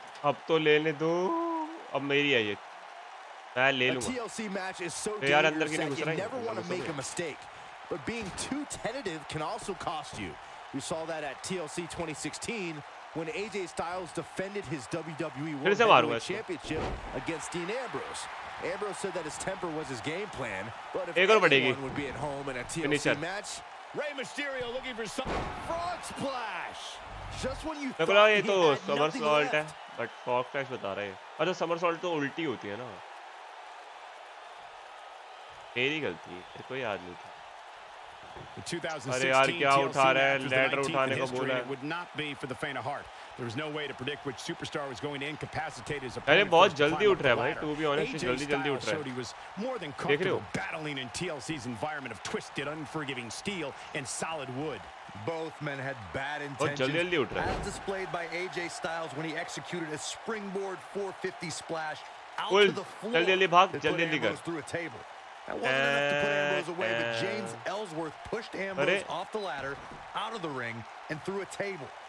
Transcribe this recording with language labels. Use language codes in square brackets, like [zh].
[hi] अब तो लेने दो, अब मेरी है ये, मैं ले लूंगा। [en] TLC match is so dangerous that you never want to make a mistake, but being too tentative can also cost you. We saw that at TLC 2016 when AJ Styles defended his WWE World Heavyweight Championship against Dean Ambrose. Ambrose said that his temper was his game plan, but if anyone would be at home in a TLC match, Rey Mysterio looking for some frog splash. Just when you thought he had nothing left. But frog splash [hi] बता रहे हैं. अच्छा somersault तो उल्टी होती है ना. मेरी गलती है. तेरे को याद नहीं था. अरे यार क्या उठा रहा है लैडर उठाने को बोला [en] would not be for the faint of heart. There was no way to predict which superstar was going to incapacitate his [hi] opponent. अरे बहुत जल्दी उठ रहा है भाई. तू भी honest जल्दी जल्दी उठ रहा है. देख रहे हो [en] battling in TLC's environment of twisted unforgiving steel and solid wood. Both men had bad intentions as displayed by AJ Styles when he executed a springboard 450 splash out to the floor. [hi] जल्दी भाग [en] through a table. That wasn't enough to put Ambrose away, but James Ellsworth pushed Ambrose off the ladder, out of the ring, and through a table.